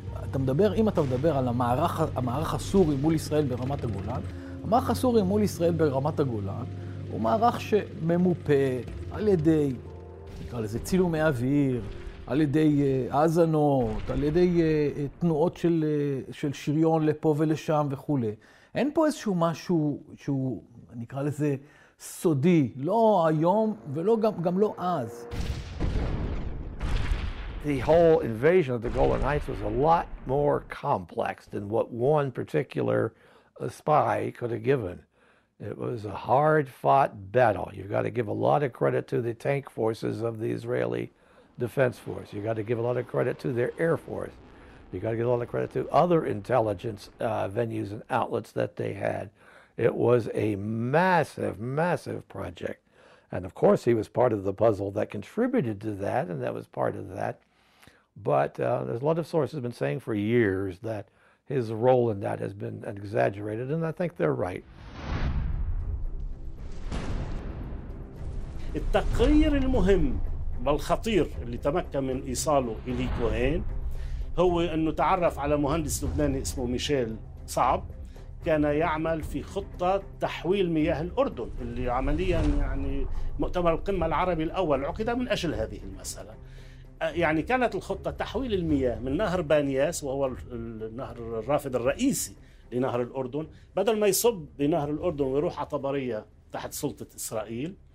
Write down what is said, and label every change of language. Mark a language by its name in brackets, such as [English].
[Hebrew] אתה מדבר, אם אתה מדבר על המערך הסורי מול ישראל ברמת הגולן, המערך הסורי מול ישראל ברמת הגולן הוא מערך שממופה על ידי על איזה צילומי אוויר, על ידי אזנות, על ידי תנועות של, של שריון לפה ולשם וכו'. אין פה איזשהו משהו שהוא, נקרא לזה, סודי. לא היום ולא גם לא אז. [English] The whole invasion of the Golan Heights was a lot more complex than what one particular spy could have given. It was a hard-fought battle. You've got to give a lot of credit to the tank forces of the Israeli Defense Force. You've got to give a lot of credit to their Air Force. You've got to give a lot of credit to other intelligence venues and outlets that they had. It was a massive, massive project. And of course, he was part of the puzzle that contributed to that, and that was part of that. But there's a lot of sources been saying for years that his role in that has been exaggerated, and I think they're right. [Arabic] التقرير المهم والخطير اللي تمكن من إيصاله إلي كوهين هو أنه تعرف على مهندس لبناني اسمه ميشيل صعب كان يعمل في خطة تحويل مياه الأردن اللي عملياً يعني مؤتمر القمة العربي الأول عقد من أجل هذه المسألة يعني كانت الخطة تحويل المياه من نهر بانياس وهو النهر الرافد الرئيسي لنهر الأردن بدل ما يصب بنهر الأردن ويروح على طبرية تحت سلطة إسرائيل